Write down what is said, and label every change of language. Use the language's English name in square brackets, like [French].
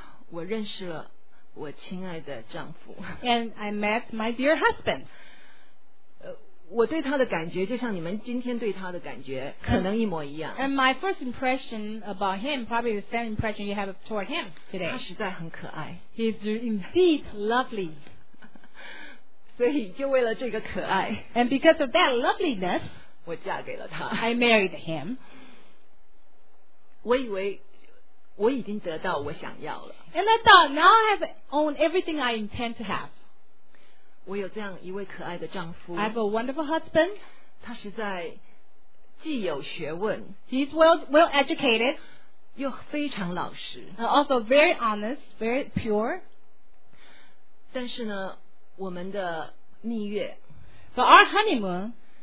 [Chinese] 我认识了我亲爱的丈夫。 [English] And I met my dear husband. [Chinese] 我对他的感觉就像你们今天对他的感觉可能一模一样。 [English] And my first impression about him, probably the same impression you have toward him today. [Chinese] 他实在很可爱。 [English] He's indeed lovely. [Chinese] 所以就为了这个可爱。 [English] And because of that loveliness, [Chinese] 我嫁给了他。 [English] I married him. [Chinese] 我以为我已经得到我想要了。 [English] And I thought, now I have owned everything I intend to have. [Chinese] 我有这样一位可爱的丈夫。 [English] I have a wonderful husband. [Chinese] 他实在既有学问。 [English] He's well educated. [Chinese] 又非常老实。 [English] Also very honest, very pure. [Chinese] 但是呢我们的蜜月 [English] But our honeymoon